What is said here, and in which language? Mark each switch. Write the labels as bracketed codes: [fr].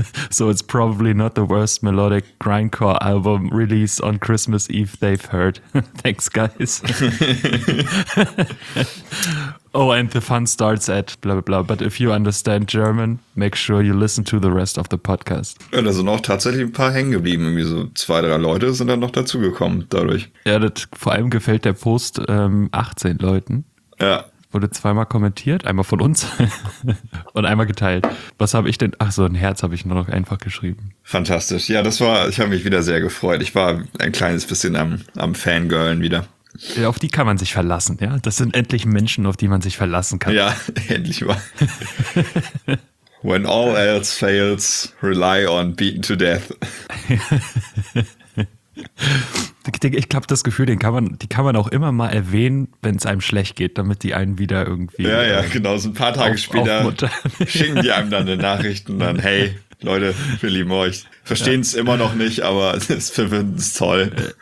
[en] So it's probably not the worst melodic grindcore album release on Christmas Eve they've heard. Thanks, guys. Oh, and the fun starts at blah, blah, blah. But if you understand German, make sure you listen to the rest of the podcast. [de] Ja, da sind auch tatsächlich ein paar hängen geblieben. Irgendwie so 2-3 Leute sind dann noch dazugekommen dadurch. Ja, das, vor allem gefällt der Post 18 Leuten. Ja. Wurde 2-mal kommentiert, 1-mal von uns und 1-mal geteilt. Was habe ich denn? Ach so, ein Herz habe ich nur noch einfach geschrieben. Fantastisch. Ja, das war, ich habe mich wieder sehr gefreut. Ich war ein kleines bisschen am Fangirlen wieder. Ja, auf die kann man sich verlassen, ja? Das sind endlich Menschen, auf die man sich verlassen kann. Ja, endlich mal. [en] When all else fails, rely on beaten to death. [de] Ich glaube, das Gefühl, die kann man auch immer mal erwähnen, wenn es einem schlecht geht, damit die einen wieder irgendwie... Ja, ja, genau. So ein paar Tage später schicken die einem dann eine Nachricht und dann, hey, Leute, wir lieben euch. Verstehen es ja immer noch nicht, aber wir finden es toll.